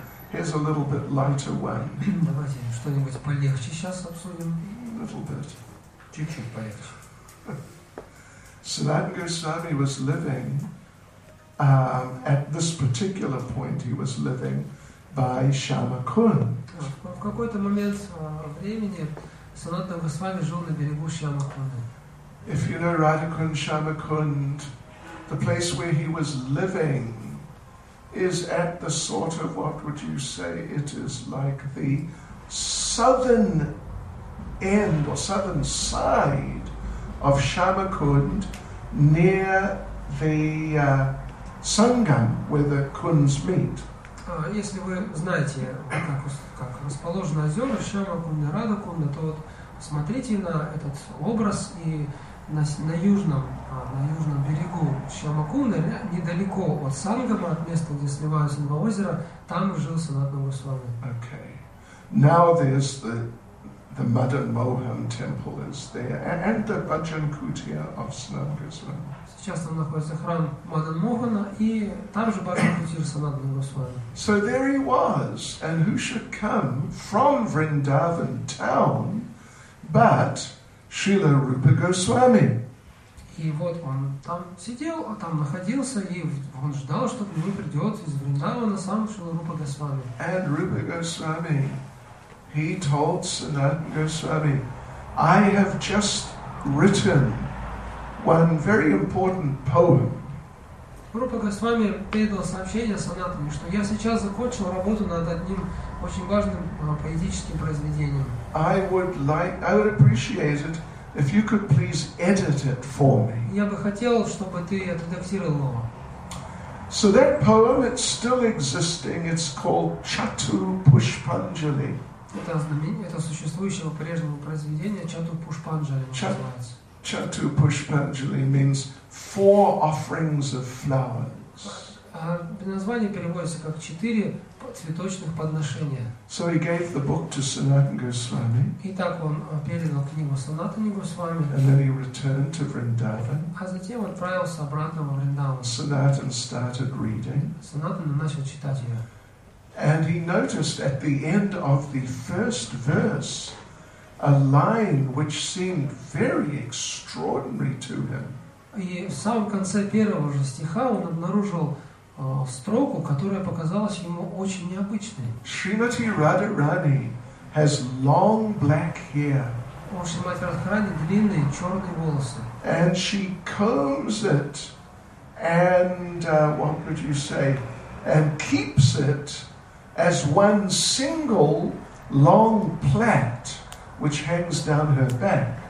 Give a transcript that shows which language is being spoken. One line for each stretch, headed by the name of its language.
English: Here's a little bit lighter one.
Russian: Давайте что-нибудь полегче сейчас обсудим.
English: Little bit.
Russian: Чуть-чуть полегче.
English: Sanatana Goswami was living at this particular point. He was living by Shama Kund.
Russian: В какой-то момент времени Sanatana Goswami жил на берегу Shama Kunda.
English: If you know Radhakund, Shama Kund, the place where he was living is at the sort of, what would you say, it is like the southern end or southern side of Shama Kund near the Sangam where the Kunds meet.
Russian: Если вы знаете, как расположены озера Shama Kund и Radhakund, то вот смотрите на этот образ и на южном берегу Шьяма Кунда, недалеко от Сангама, от места, где сливаются два озера, там жил Санатана Госвами.
English: Okay. Now there's the Madan Mohan temple is there, and the Bhajan Kutia of Sanatana Goswami.
Russian: Сейчас там находится храм Мадан Мохана, и там же Бхаджан Кутир Санатана Госвами.
English: So there he was, and who should come from Vrindavan town, but Шрила Рупа Госвами.
Russian: И вот он там сидел, а там находился, и он ждал, что к нему придет из Вриндавана сам Шрила Рупа Госвами.
English: And Rupa Goswami, he told Sanatana Goswami, I have just written one very important poem.
Russian: Рупа Госвами передал сообщение Санатане, что я сейчас закончил работу над одним очень важным поэтическим произведением.
English: I would appreciate it If you could please edit it for me.
Russian: Я бы хотел, чтобы ты отредактировал его.
English: So that poem, it's still existing. It's called Chatu Pushpanjali.
Russian: Это существующего прежнего произведения Chatu Pushpanjali называется.
English: Chatu Pushpanjali means four offerings of flowers.
Russian: Название переводится как четыре цветочных подношения.
English: So he gave the book to Sanatana Goswami.
Russian: И так он передал книгу Санатане Госвами.
English: And then he returned to Vrindavan.
Russian: А затем отправился обратно во Вриндаван.
English: Sanatana started reading.
Russian: Санатана начал читать ее.
English: And he noticed at the end of the first verse a line which seemed very extraordinary to him.
Russian: И в самом конце первого же стиха он обнаружил строку, которая показалась ему очень необычной.
English: Шримати Радхарани has long black hair.
Russian: У Шримати Радхарани длинные черные волосы.
English: And she combs it and what would you say? And keeps it as one single long plait which hangs down her back.